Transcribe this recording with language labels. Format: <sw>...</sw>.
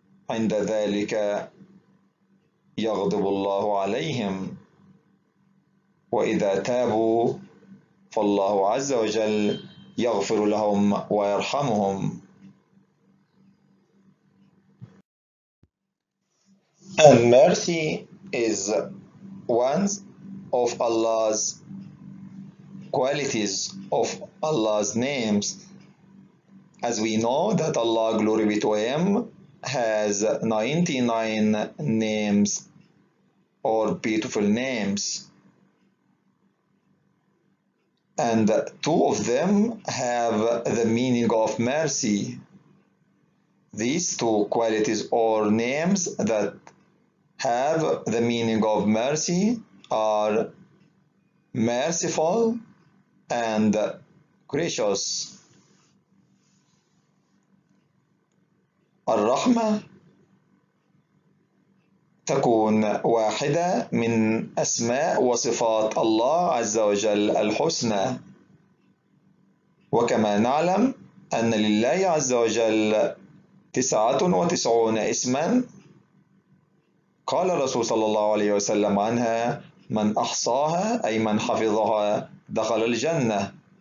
<ar>عند ذلك يغضب الله عليهم، وإذا تابوا فالله عز وجل يغفر لهم ويرحمهم.</ar> <en>And mercy is one of Allah's qualities, of Allah's names. As we know that Allah, glory be to him, has 99 names or beautiful names, and two of them have the meaning of mercy. These two qualities or names that have the meaning of mercy are merciful and gracious.</en> <ar>الرحمة تكون واحدة من أسماء وصفات الله عز وجل الحسنى، وكما نعلم أن لله عز وجل 99 اسما، قال الرسول صلى الله عليه وسلم عنها: من أحصاها، أي من حفظها، دخل الجنة.</ar>